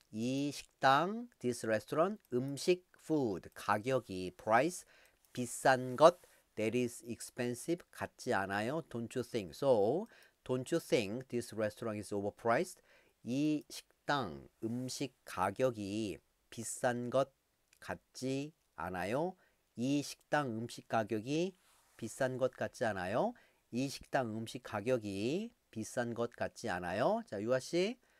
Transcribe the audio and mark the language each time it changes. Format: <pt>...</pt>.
<ko>이 식당</ko> <en>this restaurant</en> <ko>음식 food 가격이 price 비싼 것</ko> <en>that is expensive</en> <ko>같지 않아요?</ko> <en>Don't you think so? Don't you think this restaurant is overpriced?</en> <ko>이 식당 음식 가격이 비싼 것 같지 않아요? 이 식당 음식 가격이 비싼 것 같지 않아요? 이 식당 음식 가격이 비싼 것 같지 않아요? 자, 유아 씨.</ko>